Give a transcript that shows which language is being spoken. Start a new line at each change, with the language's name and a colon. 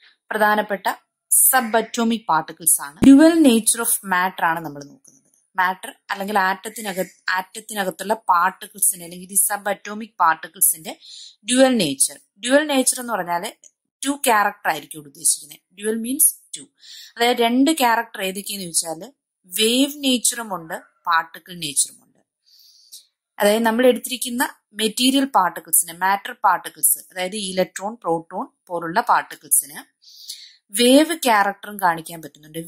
Malayalam: പ്രധാനപ്പെട്ട subatomic particles ആണ്.
English: Dual nature of matter
Malayalam: ആണ് നമ്മൾ നോക്കുന്നത്. Matter അല്ലെങ്കിൽ ആറ്റത്തിനകത്തുള്ള particles ന്റെ അല്ലെങ്കിൽ subatomic particles ന്റെ dual nature.
English: Dual nature
Malayalam: എന്ന് പറഞ്ഞാൽ
English: two character
Malayalam: ആയിരിക്കും ഉദ്ദേശിക്കുന്നത്.
English: Dual means two.
Malayalam: അതായത് രണ്ട് character ഏതൊക്കെയെന്ന് വെച്ചാൽ wave natureum ഉണ്ട്, particle natureum ഉണ്ട്. അതായത് നമ്മൾ എടുത്തിരിക്കുന്ന മെറ്റീരിയൽ പാർട്ടിക്കിൾസിന്, മാറ്റർ പാർട്ടിക്കിൾസ്, അതായത് ഇലക്ട്രോൺ പ്രോട്ടോൺ പോലുള്ള പാർട്ടിക്കിൾസിന് വേവ് ക്യാരക്ടറും കാണിക്കാൻ പറ്റുന്നുണ്ട്.